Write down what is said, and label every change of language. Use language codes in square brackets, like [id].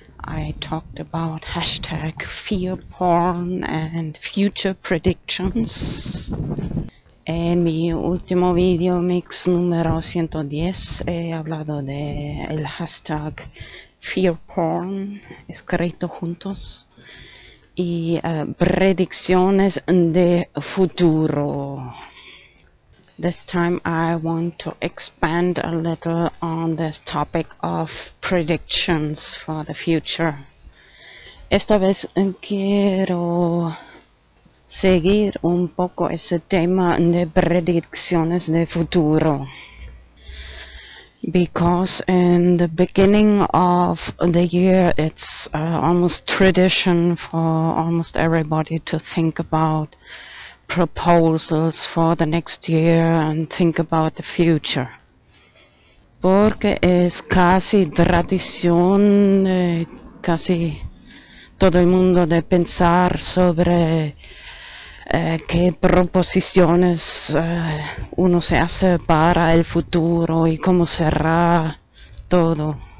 [en] I talked about hashtag fear porn and future predictions. [es] En mi último video mix número 110 he hablado de el hashtag fear porn escrito juntos y predicciones de futuro. [en] This time I want to expand a little on this topic of predictions for the future. [es] Esta vez quiero seguir un poco ese tema de predicciones de futuro. [en] Because in the beginning of the year it's almost tradition for almost everybody to think about proposals for the next year and think about the future. [es] Porque es casi tradición, casi todo el mundo de pensar sobre qué proposiciones uno se hace para el futuro y cómo será todo.